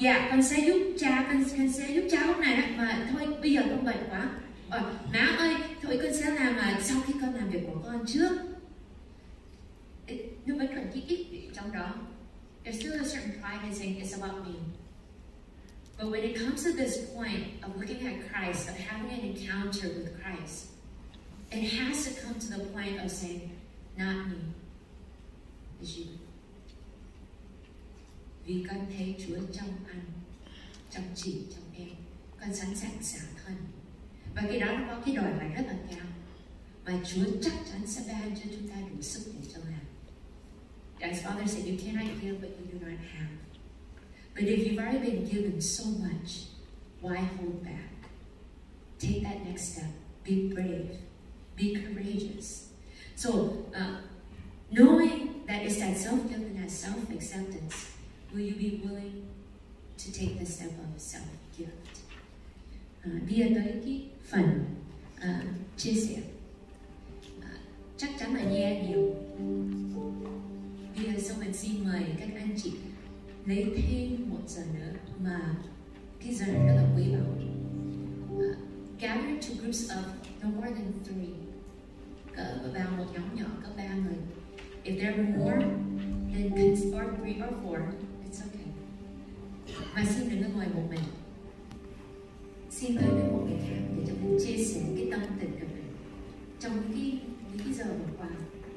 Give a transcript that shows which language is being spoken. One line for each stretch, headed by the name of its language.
Vietnamese: Con sẽ giúp cha, con sẽ giúp cháu này, mà thôi bây giờ con bệnh quá. Má ơi, thôi con sẽ làm mà sau khi con làm việc của con trước. Nó vẫn còn cái ích trong đó.
English: There's still a certain pride in saying it's about me. But when it comes to this point of looking at Christ, of having an encounter with Christ, it has to come to the point of saying, not me, it's you.
Vietnamese: Vì con thấy Chúa trong anh, trong chị, trong em, con sẵn sàng xả thân. Và cái đó nó có cái đòi hỏi rất là cao. Mà Chúa chắc chắn sẽ ban cho chúng ta đủ sức để cho làm.
English: As Father said, you cannot give what you do not have. But if you've already been given so much, why hold back? Take that next step. Be brave. Be courageous. So, knowing that it's that self-giving, that self-acceptance, will you be willing to take the step of self-gift?
Vietnamese: Via Doiki, phần chia sẻ chắc chắn là nghe nhiều. Bây giờ xong mình xin mời các anh chị lấy thêm một giờ nữa mà cái giờ rất là quý báu.
English: Gather to groups of no more than three.
Vietnamese: Cỡ vào một nhóm nhỏ có ba người.
English: If there are more than three or four, it's okay.
Vietnamese: Mà xin đừng có ngồi một mình. Xin tới với một người khác để cho mình chia sẻ cái tâm tình của mình trong những cái giờ vừa qua.